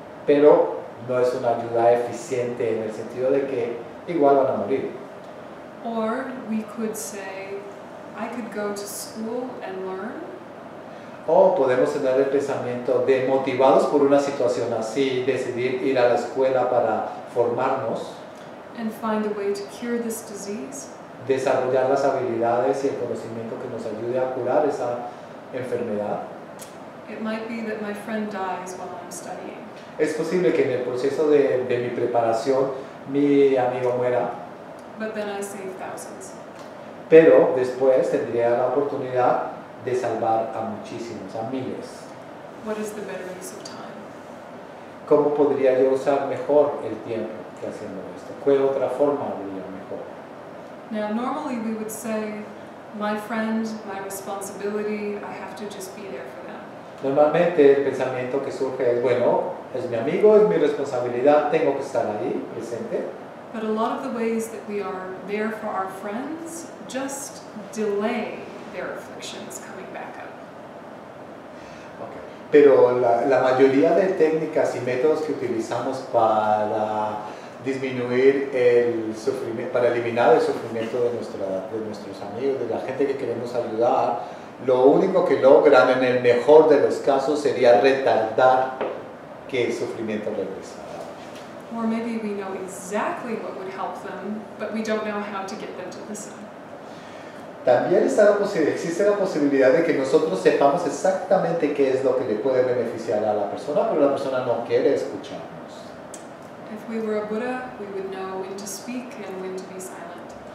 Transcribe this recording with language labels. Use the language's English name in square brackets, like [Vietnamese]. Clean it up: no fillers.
[Spanish] Pero no es una ayuda eficiente en el sentido de que igual van a morir. [English] Or we could say, I could go to school and learn. [Spanish] O podemos tener el pensamiento de, motivados por una situación así, decidir ir a la escuela para formarnos. [English] And find a way to cure this disease. [Spanish] Desarrollar las habilidades y el conocimiento que nos ayude a curar esa enfermedad. [English] It might be that my friend dies while I'm studying. [Spanish] Es posible que en el proceso de mi preparación mi amigo muera. [English] But then I save thousands. [Spanish] Pero después tendría la oportunidad de salvar a muchísimos, a miles. [English] What is the better use of time? [Spanish] ¿Cómo podría yo usar mejor el tiempo que haciendo esto? ¿Qué otra forma haría mejor? [English] Now, normally we would say, my friend, my responsibility, I have to just be there for them. [Spanish] Normalmente el pensamiento que surge es, bueno, es mi amigo, es mi responsabilidad, tengo que estar ahí, presente. [English] But a lot of the ways that we are there for our friends just delay their afflictions coming back up. Okay. [Spanish] Pero la mayoría de técnicas y métodos que utilizamos para disminuir el sufrimiento, para eliminar el sufrimiento de nuestros amigos, de la gente que queremos ayudar, lo único que logran en el mejor de los casos sería retardar que el sufrimiento regrese. [English] Or maybe we know exactly what would help them, but we don't know how to get them to listen. [Spanish] También existe la posibilidad de que nosotros sepamos exactamente qué es lo que le puede beneficiar a la persona, pero la persona no quiere escucharnos. [English] If we were a Buddha, we would know when to speak and when to be silent.